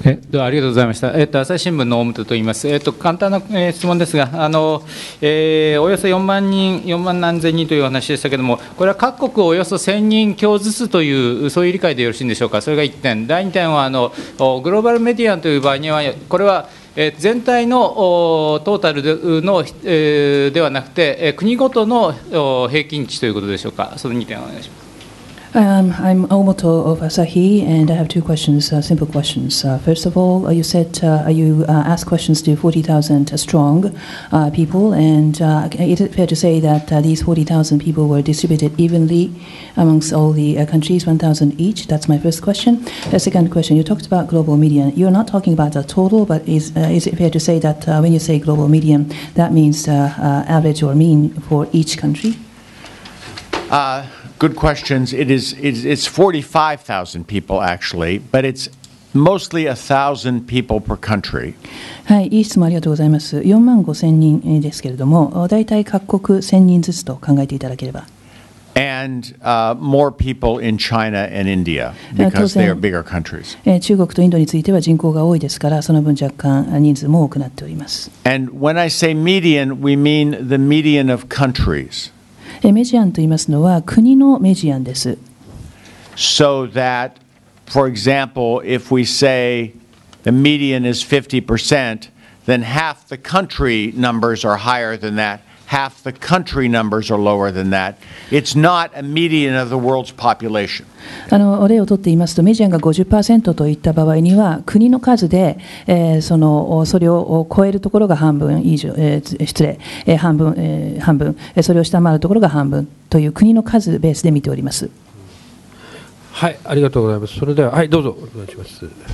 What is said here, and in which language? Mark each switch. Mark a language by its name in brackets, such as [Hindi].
[Japanese] どうもありがとうございました。朝日新聞の大本といいます。簡単な質問ですが、およそ4万人、4万何千人という話でしたけれども、これは各国およそ1000人強ずつというそういう理解でよろしいんでしょうか。それが1点。第2点はグローバルメディアという場合にはこれは全体のトータルのではなくて国ごとの平均値ということでしょうか。その2点お願いします。 [English] I'm Omoto of Asahi, and I have two questions, simple questions. First of all, you said you asked questions to 40,000 strong people, and is it fair to say that these 40,000 people were distributed evenly amongst all the countries, 1,000 each? That's my first question. The second question, you talked about global median. You're not talking about the total, but is it fair to say that when you say global median, that means average or mean for each country? Good questions. It's 45,000 people actually, but it's mostly 1,000 people per country. [Japanese] はい、いい質問ありがとうございます。4万5千人ですけれども、大体各国1000人ずつと考えていただければ。 [English] And more people in China and India because they are bigger countries. [Japanese] 中国とインドについては人口が多いですから、その分若干人数も多くなっております。 [English] And when I say median, we mean the median of countries. [Japanese] メジアンと言いますのは国のメジアンです。 [English] So that, for example, if we say the median is 50%, then half the country numbers are higher than that, half the country numbers are lower than that. It's not a median of the world's population. [Japanese] お例をとって言いますと、メジアンが 50% といった場合には、国の数で、それを超えるところが半分以上、失礼、半分、それを下回るところが半分という国の数ベースで見ております。はい、ありがとうございます。それでは、はい、どうぞ、お願いします。